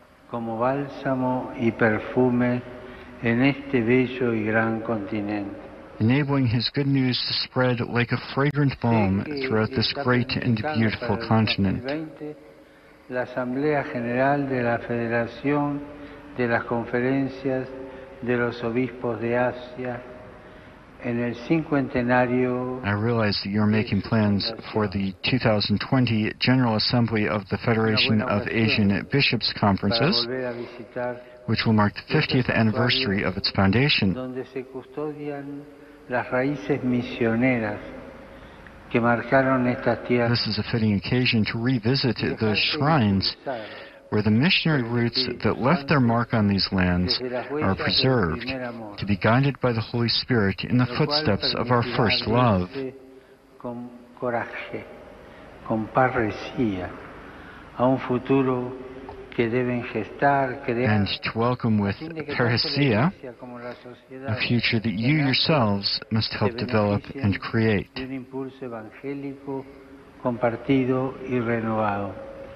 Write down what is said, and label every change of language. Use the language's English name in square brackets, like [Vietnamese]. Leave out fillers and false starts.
[Spanish] como bálsamo y perfume en este bello y gran continente, [English] enabling his good news to spread like a fragrant balm throughout this great and beautiful continent. [Spanish] La Asamblea General de la Federación de las Conferencias de los Obispos de Asia en el cincuentenario. [English] I realize that you're making plans for the 2020 General Assembly of the Federation of Asian Bishops Conferences, which will mark the 50th anniversary of its foundation. [Spanish] Donde se custodian las raíces misioneras que marcaron esta tierra. [English] This is a fitting occasion to revisit those shrines where the missionary roots that left their mark on these lands are preserved, to be guided by the Holy Spirit in the footsteps of our first love. [Spanish] Con coraje, con parresía, a un futuro que deben gestar, crear, [English] and to welcome with parresía a future that you yourselves must help develop and create. [Spanish] De un impulso evangélico compartido y renovado.